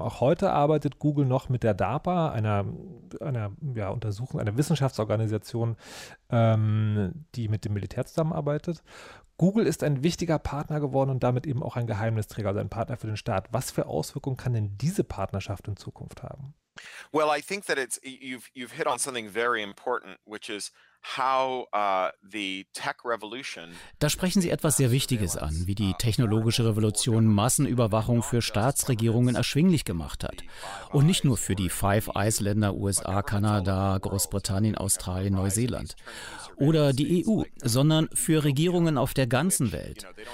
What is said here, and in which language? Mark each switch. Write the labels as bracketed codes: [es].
[de] Auch heute arbeitet Google noch mit der DARPA, einer Wissenschaftsorganisation, die mit dem Militär zusammenarbeitet. Google ist ein wichtiger Partner geworden und damit eben auch ein Geheimnisträger, also ein Partner für den Staat. Was für Auswirkungen kann denn diese Partnerschaft in Zukunft haben? [en] Well, I think that it's you've hit on something very important, which is how the tech revolution. [de] Da sprechen Sie etwas sehr Wichtiges an, wie die technologische Revolution Massenüberwachung für Staatsregierungen erschwinglich gemacht hat. Und nicht nur für die Five Eyes Länder USA, Kanada, Großbritannien, Australien, Neuseeland oder die EU, sondern für Regierungen auf der ganzen Welt.